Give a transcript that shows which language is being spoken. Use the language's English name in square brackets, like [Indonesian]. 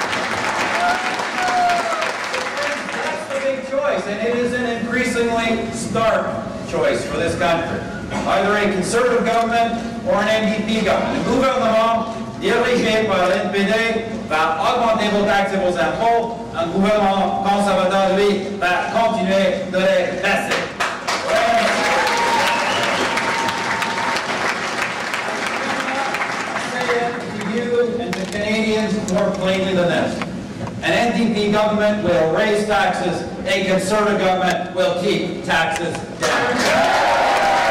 [English] That's the big choice, and it is an increasingly stark choice for this country. Either a Conservative government or an NDP government. [French] Le gouvernement dirigé par l'NPD va augmenter vos taxes et vos impôts. Un gouvernement conservateur, lui, va continuer de les baisser. [English] I say it to you and to Canadians more plainly than this. An NDP government will raise taxes. A Conservative government will keep taxes down.